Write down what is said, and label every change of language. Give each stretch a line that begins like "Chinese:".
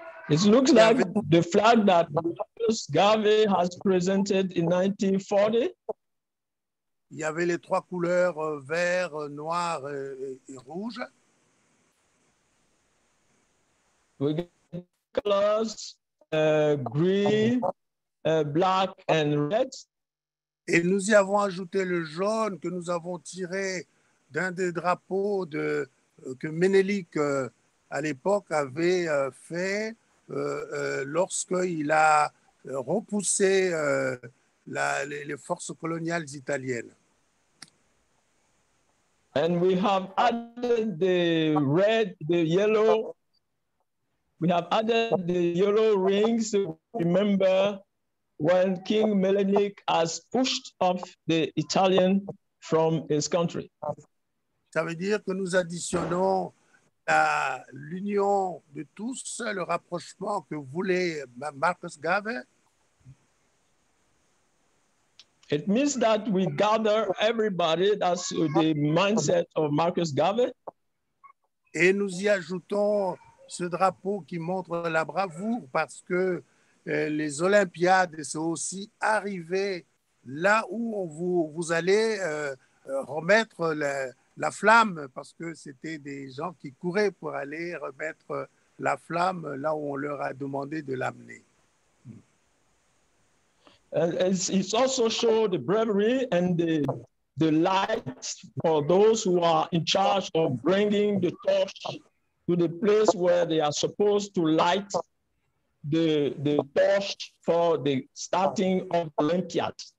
English: It looks like the flag that Marcus Garvey has presented in 1940.
French: Il y avait les trois couleurs vert, noir et rouge.
English: We get colors green, black and red.
French: Et nous y avons ajouté le jaune que nous avons tiré d'un des drapeaux de que Ménélique à l'époque avait fait lorsqu'il a repoussé les forces coloniales italiennes.
English: And we have added the red, the yellow. We have added the yellow rings to remember when King Melenik has pushed off the Italian from his country.
French: Ça veut dire que nous additionnons l'union de tous, le rapprochement que voulait Marcus Garvey.
English: It means that we gather everybody, that's the mindset of Marcus Garvey.
French: Et nous y ajoutons ce drapeau qui montre la bravoure parce que les Olympiades sont aussi arrivées là où vous allez remettre la flamme parce que c'était des gens qui couraient pour aller remettre la flamme là où on leur a demandé de l'amener.
English: It's also show the bravery and the light for those who are in charge of bringing the torch to the place where they are supposed to light the torch for the starting of the Olympiad.